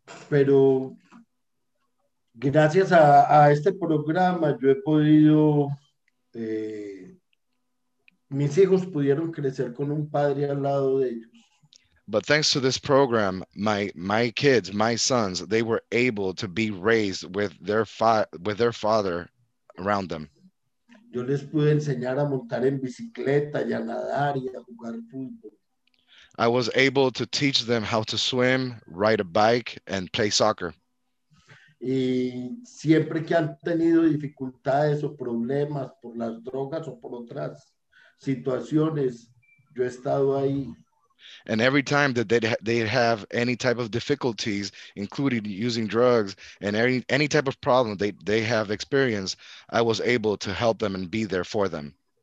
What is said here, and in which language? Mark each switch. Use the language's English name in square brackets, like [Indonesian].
[Spanish] Pero gracias a este programa yo he podido mis hijos pudieron crecer con un padre al lado de ellos. [English] But thanks to this program, my kids, my sons, they were able to be raised with their father around them. [Spanish] Yo les pude enseñar a montar en bicicleta y a nadar y a jugar fútbol. [English] I was able to teach them how to swim, ride a bike, and play soccer. [Spanish] Y siempre que han tenido dificultades o problemas por las drogas o por otras situaciones, yo he estado ahí. [English] And every time that they'd have any type of difficulties, including using drugs and any type of problem they have experienced, I was able to help them and be there for them.